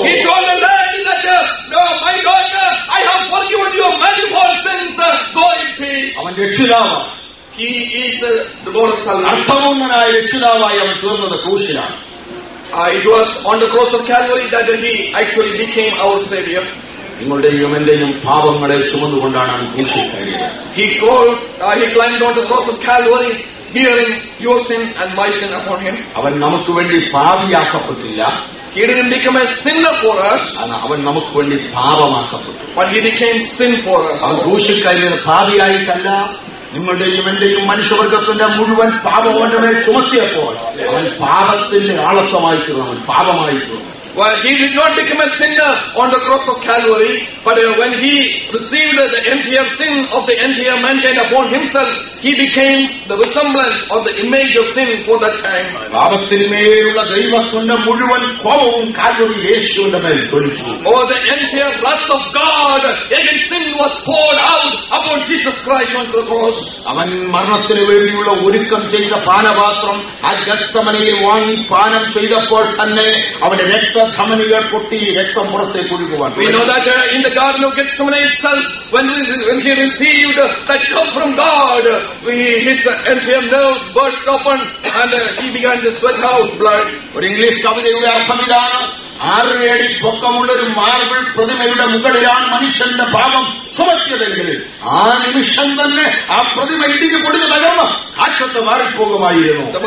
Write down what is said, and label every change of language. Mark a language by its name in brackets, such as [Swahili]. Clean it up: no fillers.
[English] He told the lady that my daughter, I have forgiven your manifold sins, go in peace. [Malayalam] Avan rakshithaava. [English] He is the Lord of salvation. It was on the cross of Calvary that he actually became our Savior. [Malayalam] നിങ്ങളുടെയും എന്റെയും പാപങ്ങളെ ചുമന്നുകൊണ്ടാണ് [English] He climbed on the cross of Calvary, bearing your sin and my sin upon him. [Malayalam] അവൻ നമുക്ക് വേണ്ടി പാപിയാക്കപ്പെട്ടില്ല. [English] He didn't become a sinner for us. [Malayalam] അവൻ നമുക്ക് വേണ്ടി പാപമാക്കപ്പെട്ടു. [English] But he became sin for us. [Malayalam] അവൻ ക്രൂശിക്കയിലെ പാപിയായിട്ടല്ല, നിങ്ങളുടെയും എന്റെയും മനുഷ്യവർഗത്തിന്റെ മുഴുവൻ പാപമോചനം ചുമത്തിയപ്പോൾ അവൻ പാപത്തിന്റെ ആളത്വമായി തീർന്നു, അവൻ പാപമായി തീർന്നു. [English] Well, he did not become a sinner on the cross of Calvary, but when he received the entire sin of the entire mankind upon himself, he became the resemblance of the image of sin for that time. [Malayalam] പാപത്തിന്മേലുള്ള ദൈവത്തിന്റെ മുഴുവൻ കോപവും Calvary യേശുവിന്റെ മേൽ ഒഴിച്ചു. [English] Oh, the entire wrath of God against sin was poured out upon Jesus Christ on the cross. [Malayalam] അവൻ മരണത്തിന് വേണ്ടിയുള്ള ഒരുക്കം ചെയ്ത പാനപാത്രം ആ ഗെത്സെമനയിൽ വാങ്ങി പാനം ചെയ്തപ്പോൾ തന്നെ അവന്റെ രക്തധമനികൾ പൊട്ടി രക്തം പുറത്തേക്ക് ഒഴുകുവാൻ. [English] We know that in the garden of Gethsemane itself, when he received that cup from God, his entire nerves burst open and he began to sweat out blood. [Malayalam] ഒരു ഇംഗ്ലീഷ് കവിതയുടെ അർത്ഥമിതാണ്, ആറ് അടി പൊക്കമുള്ള ഒരു മാർബിൾ പ്രതിമയുടെ മുകളിലാണ് മനുഷ്യന്റെ പാപം ചുമത്തിയതെങ്കിൽ ആ നിമിഷം തന്നെ ആ പ്രതിമ ഇടിഞ്ഞു പൊടിഞ്ഞു തകർന്ന് ആക്കത്ത് മാറിപ്പോകുമായിരുന്നു.